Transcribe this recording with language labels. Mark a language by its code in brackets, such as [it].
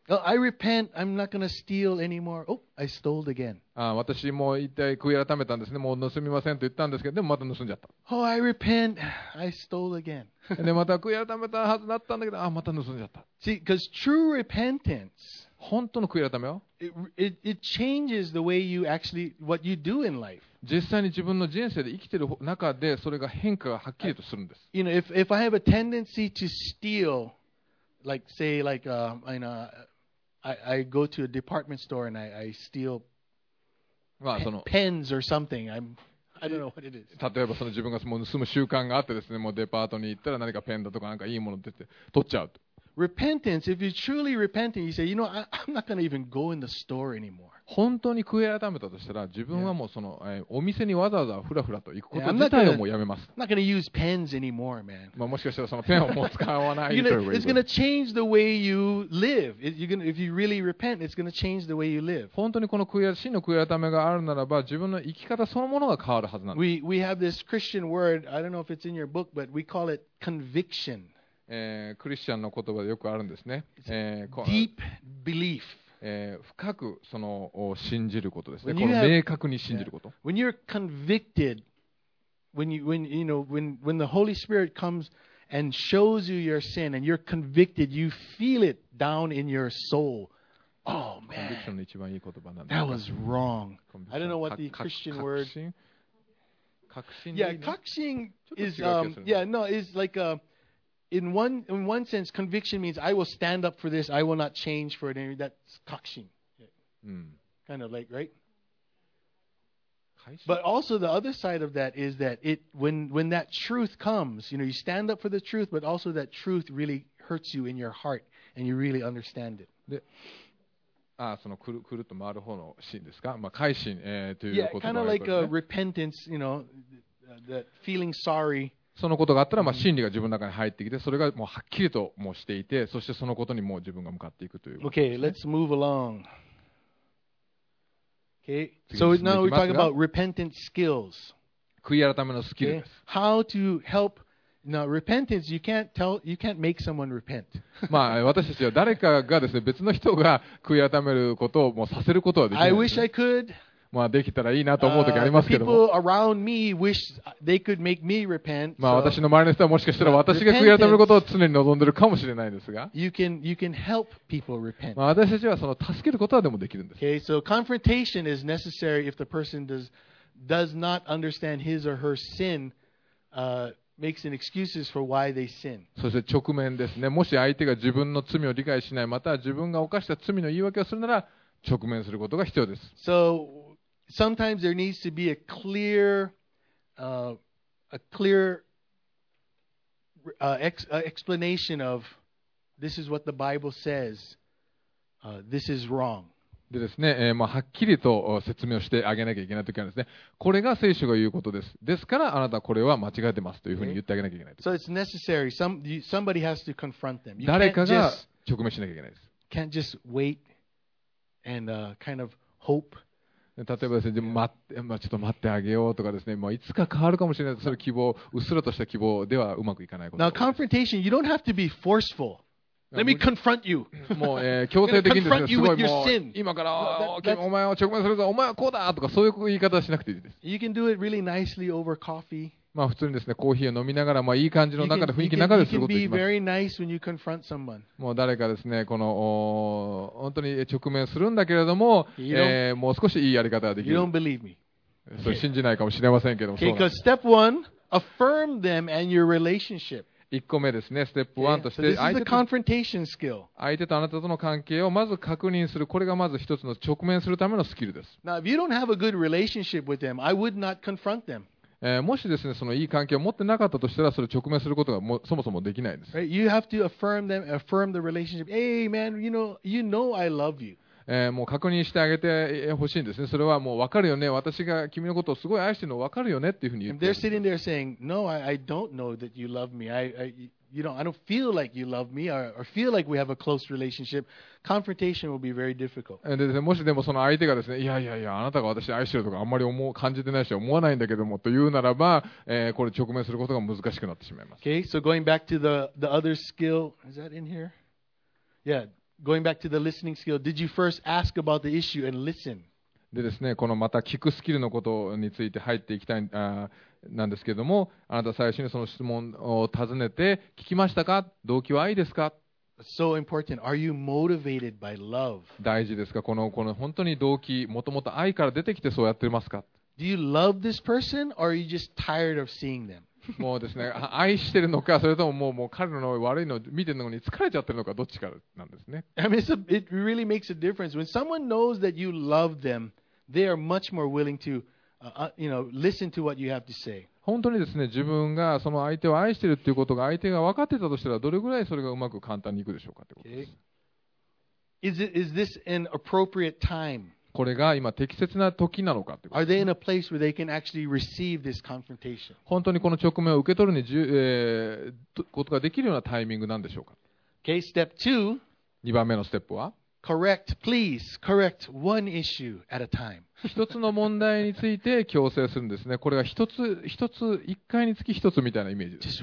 [en] Oh, I repent. I'm not going to steal anymore. Oh, I stole again. [ja] ああ、私もう一体悔い改めたんですね。もう盗みませんと言ったんですけど、でもまた盗んじゃった。 [en] Oh, I repent. I stole again. [ja] で、また悔い改めたはずだったんだけど、ああ、また盗んじゃった。 [en] See, because true repentance, [ja] 本当の悔い改めは、 [en] it changes the way you actually, what you do in life. [ja] 実際に自分の人生で生きている中で、それが変化がはっきりとするんです。 [en] You know, if I have a tendency to steal,Like say like I know I go to a department store and I steal pens or something I don't know what it is. [ja] 例えばその自分がもう盗む習慣があってですね、もうデパートに行ったら何かペンだとかなんかいいもの出て取っちゃうと。 [en] Repentance. If you're truly repenting, you say, you know, I'm not going to even go in the store anymore. [ja] 本当に悔い改めたとしたら、自分はもうその、お店にわざわざフラフラと行くこと自体をもうやめます。 [en] I'm not going to use pens anymore, man. [ja] まあもしかしたらそのペンをもう使わないということです。 [en] It's going to change the way you live. If you really repent, it's going to change the way you live. [ja] 本当にこの真の悔い改めがあるならば、自分の生き方そのものが変わるはずなんです。 [en] We have this Christian word. I don't know if it's in your book, but we call it conviction. [ja] クリスチャンの言葉でよくあるんですね。 [en] Deep belief. [ja] 深くその信じることですね。この明確に信じること。 [en] When you're convicted, when the Holy Spirit comes and shows you your sin and you're convicted, you feel it down in your soul. Oh man. [ja] コンビクションの一番いい言葉なんで。 [en] That was wrong. I don't know what the Christian word. [ja] 確信。 [en] Yeah, 確信 is is like a. In one sense, conviction means I will stand up for this. I will not change for it. That's 確信 kind of like, right? But also the other side of that is that it when that truth comes, you know, you stand up for the truth, but also that truth really hurts you in your heart and you really understand it. [ja] その くるっと回る方のシーンですか、まあ、改心、ということもあるからね。 [en] Yeah, kind of like a repentance, you know, that feeling sorry. [ja] そのことがあったら、まあ、真理が自分の中に入ってきて、それがもうはっきりともしていて、そしてそのことにもう自分が向かっていくということですね。 [en] Okay, let's move along. Okay, so now we're talking about repentance skills. [ja] 悔い改めのスキルです。 [en] Okay. How to help? Now, repentance, you can't tell, you can't make someone repent. [ja] まあ、私たちは誰かがですね、別の人が悔い改めることをもうさせることはできない。 [en] I wish I could. [ja] まあ、できたらいいなと思う時ありますけども、 [en] people around me wish they could make me repent, [ja] まあ私の周りの人はもしかしたら私が悔い改めることを常に望んでるかもしれないですが、 [en] you can help people repent. [ja] まあ私たちはその助けることはでもできるんです。 [en] Okay, so confrontation is necessary if the person does not understand his or her sin, makes an excuses for why they sin. [ja] そして直面ですね。もし相手が自分の罪を理解しない、または自分が犯した罪の言い訳をするなら直面することが必要です。 [en] So,Sometimes there needs to be a clear explanation of this is what the Bible says, this is wrong. [ja] でですね、まあ、はっきりと説明をしてあげなきゃいけないときはですね、これが聖書が言うことです。ですからあなたこれは間違えてますというふうに言ってあげなきゃいけない。 [en] So it's necessary. Somebody has to confront them. [ja] 誰かが直面しなきゃいけないです。 [en] Can't just wait and kind of hope. [ja] 例えばですね、でも待って、まあ、ちょっと待ってあげようとかですね、まあ、いつか変わるかもしれない、それ希望、うっすらとした希望ではうまくいかないことです。 [en] Now, confrontation, you don't have to be forceful. Let me confront you. [ja] もう、強制的にですね、すごいもう、今から、お前を直面するぞ、お前はこうだとか、そういう言い方はしなくていいです。 [en] You can do it really nicely over coffee. [ja] まあ、普通にですね、コーヒーを飲みながら、まあ、いい感じの中で、雰囲気の中ですることができます。もう誰かですね、この、本当に直面するんだけれども、もう少しいいやり方ができる。 [en] You don't believe me. [ja] それ信じないかもしれませんけども。 [en] Okay, because step one, affirm them and your relationship. [ja] 1個目ですね、ステップ1として相手とあなたとの関係をまず確認する、これがまず一つの直面するためのスキルです。 [en] Now, if you don't have a good relationship with them, I would not confront them. [ja] もしですね、そのいい関係を持ってなかったとしたら、それを直面することがもそもそもできないんです。 [en] You have to affirm them, affirm the relationship. Hey, man, you know I love you. [ja] もう確認してあげてほしいんですね。それはもう分かるよね。私が君のことをすごい愛してるの分かるよねっていうふうに言ってる。 [en] They're sitting there saying, No, I don't know that you love me. I don't feel like you love me or feel like we have a close relationship. Confrontation will be very difficult. [ja] でもしでもその相手がですね、いやいやいや、あなたが私愛してるとかあんまり感じてないし思わないんだけどもというならば、これ直面することが難しくなってしまいます。 [en] Okay, so going back to the other skill, is that in here? Yeah. Going back to the listening skill, did you first ask about the issue and listen? [ja] でですね、このまた聞くスキルのことについて入っていきたいなんですけれども、あなた最初にその質問を尋ねて、聞きましたか？動機はいいですか？ [en] So important. Are you motivated by love? [ja] 大事ですか？この本当に動機、もともと愛から出てきてそうやってますか？ [en] Do you love this person or are you just tired of seeing them? [ja] もうですね、愛してるのか、それとももう彼の悪いの見てるのに疲れちゃってるのか、どっちかなんですね。 [en] I mean, it really makes a difference. When someone knows that you love them, they are much more willing to, listen to what you have to say. [ja] 本当にですね、自分がその相手を愛してるっていうことが相手が分かってたとしたら、どれぐらいそれがうまく簡単にいくでしょうかってことです。 [en] Okay. Is this an appropriate time? [ja] これが今適切な時なのかということ。 [en] Are they in a place where they can actually receive this confrontation? [ja] 本当にこの直面を受け取るに、ことができるようなタイミングなんでしょうか。 [en] Okay, step two. [ja] 2番目のステップは。 [en] Correct, please correct one issue at a time. [ja] 一つの問題について強制するんですね。これが一つ一回につき一つみたいなイメージです。